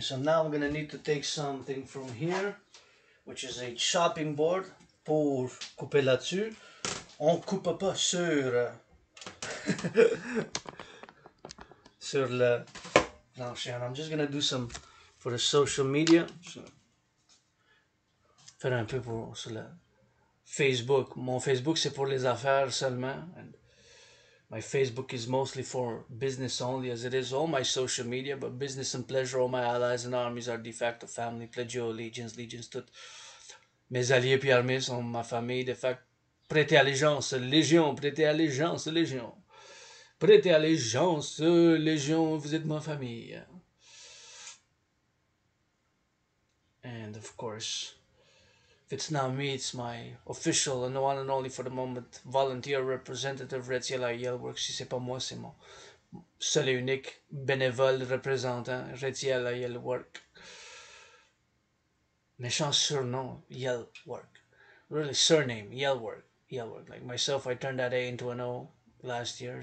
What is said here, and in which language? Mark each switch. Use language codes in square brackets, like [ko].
[en] So now I'm gonna need to take something from here, which is a chopping board, [fr] pour couper là-dessus. On coupe pas sur, sur le plancher. [en] I'm just gonna do some for the social media. [fr] So, faire un peu pour sur le Facebook. Mon Facebook, c'est pour les affaires seulement. [en] And my Facebook is mostly for business only, as it is all my social media, but business and pleasure, all my allies and armies are de facto family, pledge your allegiance, legions tout. [fr] Mes alliés puis armées sont ma famille, de facto, prêtez allégeance, légion, prêtez allégeance, légion. Prêtez allégeance, légion, vous êtes ma famille. [en] And of course, if it's not me, it's my official and one and only for the moment volunteer representative, Red Ciel Ariel Works. [fr] Si c'est pas moi, c'est mon seul et unique bénévole représentant, Red Ciel Ariel Works. Méchant surnom, [en] Yell Work. Really, surname, Yell Work. Yell Work. Like myself, I turned that A into an O last year.